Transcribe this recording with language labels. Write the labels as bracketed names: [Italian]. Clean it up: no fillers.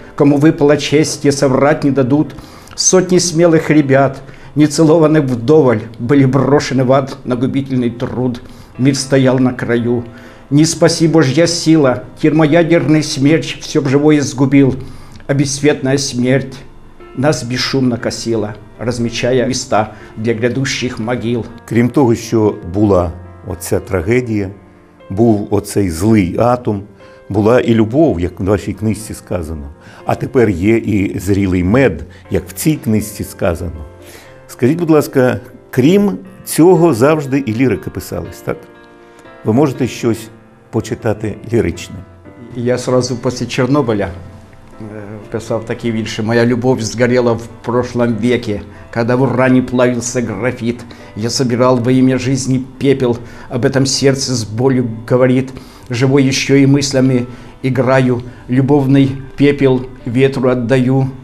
[Russian] Кому выпала честь, и соврать не дадут. Сотни смелых ребят, нецелованных вдоволь, были брошены в ад на губительный труд. Мир стоял на краю. Не спаси божья сила, термоядерный смерч все б живое сгубил. А бессветная смерть нас бесшумно косила, [Ukrainian] розмічає міста для грядущих могил. Крім того, що була оця трагедія, був оцей злий атом, була і любов, як в вашій книжці сказано, а тепер є і зрілий мед, як в цій книжці сказано. Скажіть, будь ласка, крім цього завжди і лірики писались, так? Ви можете щось почитати ліричне? [Russian] Я одразу після Чорнобиля писал такие вирши. «Моя любовь сгорела в прошлом веке, когда в уране плавился графит. Я собирал во имя жизни пепел, об этом сердце с болью говорит. Живой еще и мыслями играю, любовный пепел ветру отдаю.